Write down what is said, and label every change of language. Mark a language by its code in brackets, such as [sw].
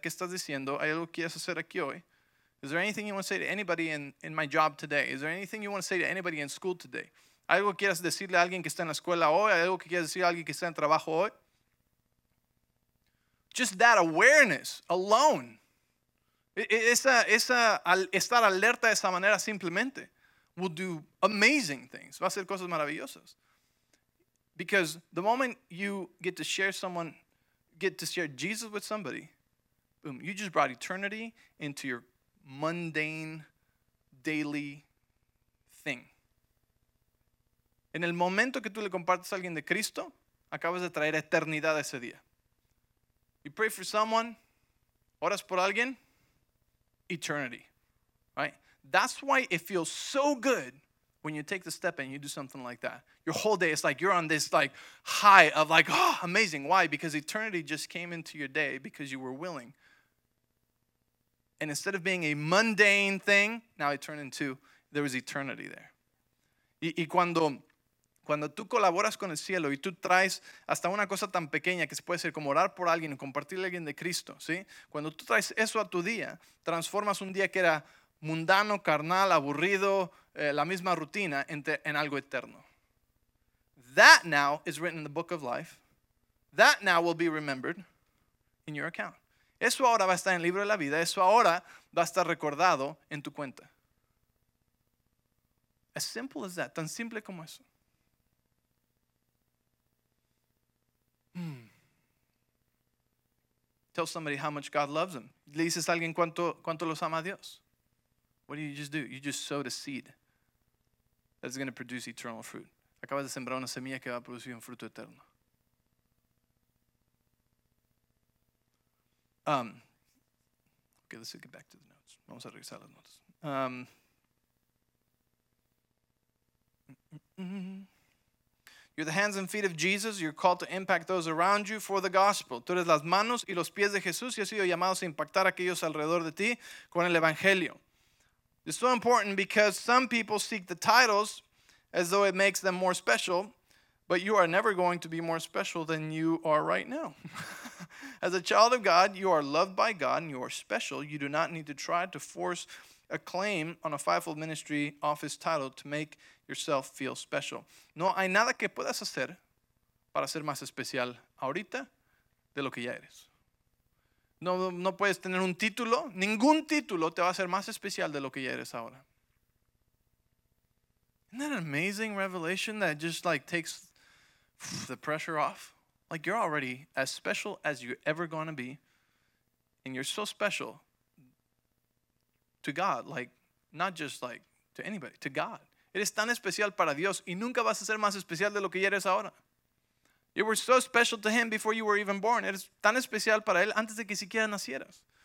[es] ¿Qué estás diciendo? ¿Hay algo que quieres hacer aquí hoy? [en] Is there anything you want to say to anybody in my job today? Is there anything you want to say to anybody in school today? [es] ¿Algo que quieras decirle a alguien que está en la escuela hoy? ¿Algo que quieras decir a alguien que está en trabajo hoy? [en] Just that awareness alone. [es] Esa estar alerta de esa manera simplemente [en] will do amazing things. [es] Va a hacer cosas maravillosas. [en] Because the moment you get to share Jesus with somebody, boom, you just brought eternity into your mundane daily thing. [es] En el momento que tú le compartes a alguien de Cristo, acabas de traer eternidad a ese día. [en] You pray for someone, [es] oras por alguien, [en] eternity, right? That's why it feels so good when you take the step and you do something like that. Your whole day, it's like you're on this like high of like, oh, amazing. Why? Because eternity just came into your day because you were willing. And instead of being a mundane thing, now it turned into, there was eternity there. [es] Y cuando tú colaboras con el cielo y tú traes hasta una cosa tan pequeña que se puede ser como orar por alguien, compartirle a alguien de Cristo, ¿sí? Cuando tú traes eso a tu día, transformas un día que era mundano, carnal, aburrido, la misma rutina, en algo eterno. [en] That now is written in the book of life. That now will be remembered in your account. [es] Eso ahora va a estar en el libro de la vida. Eso ahora va a estar recordado en tu cuenta. [en] As simple as that. [es] Tan simple como eso. [en] Tell somebody how much God loves them. [es] Le dices a alguien cuánto los ama a Dios. [en] What do you just do? You just sowed a seed that's going to produce eternal fruit. [es] Acabas de sembrar una semilla que va a producir un fruto eterno. [en] Okay, let's get back to the notes. [es] Vamos a regresar a las notas. [en] You're the hands and feet of Jesus. You're called to impact those around you for the gospel. [es] Tú eres las manos y los pies de Jesús y has sido llamado a impactar a aquellos alrededor de ti con el evangelio. [en] It's so important because some people seek the titles as though it makes them more special, but you are never going to be more special than you are right now. As a child of God, you are loved by God and you are special. You do not need to try to force a claim on a fivefold ministry office title to make yourself feel special. [es] No hay nada que puedas hacer para ser más especial ahorita de lo que ya eres. No puedes tener un título. Ningún título te va a hacer más especial de lo que ya eres ahora. [en] Isn't that an amazing revelation that just like takes the pressure off? Like you're already as special as you're ever going to be. And you're so special to God. Like not just like to anybody, to God. [es] Eres tan especial para Dios y nunca vas a ser más especial de lo que ya eres ahora. [en] You were so special to him before you were even born. [es] Eres tan especial para él antes de que siquiera nacieras.